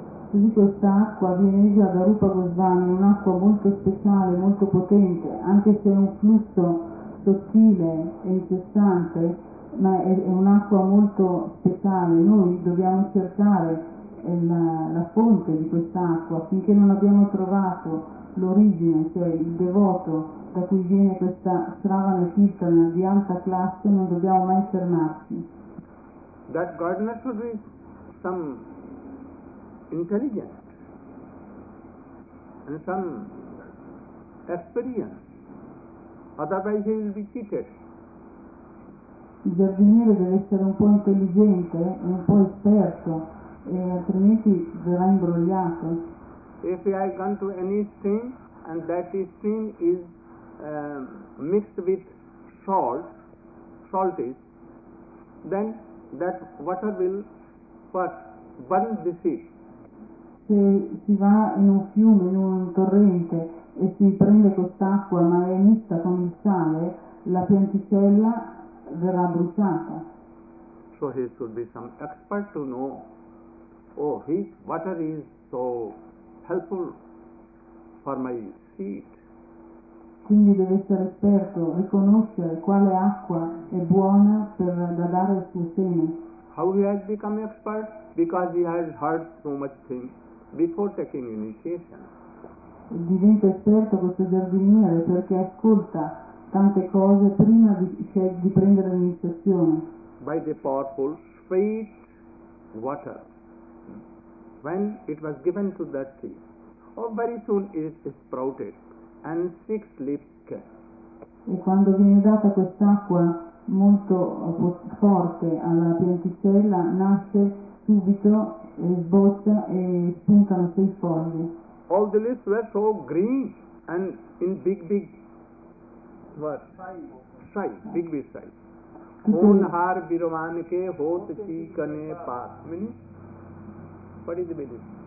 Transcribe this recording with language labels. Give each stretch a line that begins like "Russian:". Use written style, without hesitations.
Italian: Quindi questa acqua viene già da Rupa Goswami, un'acqua molto speciale, molto potente, anche se è un flusso sottile e incessante, ma è un'acqua molto speciale. Noi dobbiamo cercare la fonte di quest'acqua. Finché non abbiamo trovato l'origine, cioè il devoto da cui viene questa Shravana Kirtana di alta classe, non dobbiamo mai fermarci.
English: That gardener should be some intelligent and some experienced. Otherwise he will be cheated.
Italian: Il giardiniere deve essere un po' intelligente, un po' esperto, e altrimenti verrà imbrogliato.
English: If I have gone to any stream and that stream is mixed with salt is, then that water will first burn the seed.
Italian: Se si va in un fiume, in un torrente, e si prende quest'acqua ma è mista con il sale, la pianticella verrà bruciata.
English: So he should be some expert to know, oh, his water is so helpful for my seed.
Italian: Quindi deve essere esperto, riconoscere quale acqua è buona per da dare al suo seme.
English: How he has become expert? Because he has heard so much things before taking initiation.
Italian: Diventa esperto questo giardiniere perché ascolta tante cose prima di prendere l'iniziazione.
English: By the powerful sweet water, when it was given to that tree, oh, very soon it sprouted and six leaves came.
Italian: E quando viene data quest'acqua molto forte alla pianticella, nasce subito e sboccia e spuntano sei foglie.
English: All the leaves were so green and in big what? Size. Big size.
Hindi: Honhar birwan ke hot chikane paas.
English: Meaning? What is the meaning?